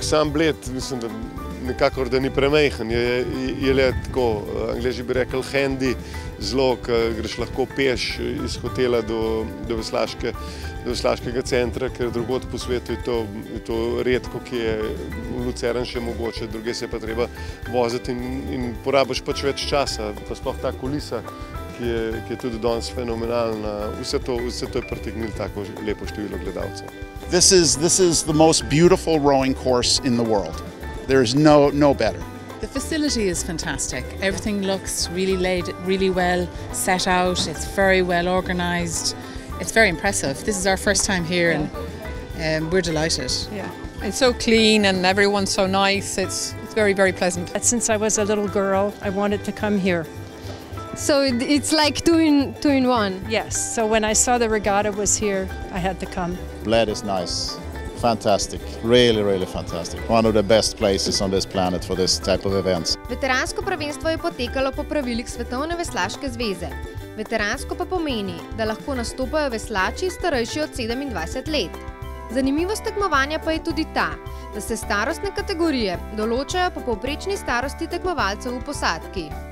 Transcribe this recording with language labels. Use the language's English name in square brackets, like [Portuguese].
[Slovenian] Sam Bled, mislim, da nekako da ni premejhen, je le tako, Angleži bi rekli handy, zelo, ker greš lahko peš iz hotela do veslaškega centra, ker drugod po svetu je to redko, ki je v Luceren še mogoče, druge se pa treba voziti in porabiš pač več časa, pa sploh ta kulisa, ki je tudi danes fenomenalna, vse to je pritegnilo tako lepo število gledalcev. [English] This is the most beautiful rowing course in the world. There is no better. The facility is fantastic. Everything looks really laid, really well set out. It's very well organized. It's very impressive. This is our first time here, and we're delighted. Yeah, it's so clean and everyone's so nice. It's very, very pleasant. Since I was a little girl, I wanted to come here. So it's like two in one. Yes. So when I saw the regatta was here, I had to come. Bled is nice. Fantastic. Really, really fantastic. One of the best places on this planet for this type of events. [Slovenian] Veteransko prvenstvo je potekalo po pravilih Svetovne veslaške zveze. Veteransko pa pomeni, da lahko nastopajo veslači starejši od 27 let. Zanimivost tekmovanja pa je tudi ta, da se starostne kategorije določajo po povprečni starosti tekmovalcev v posadki.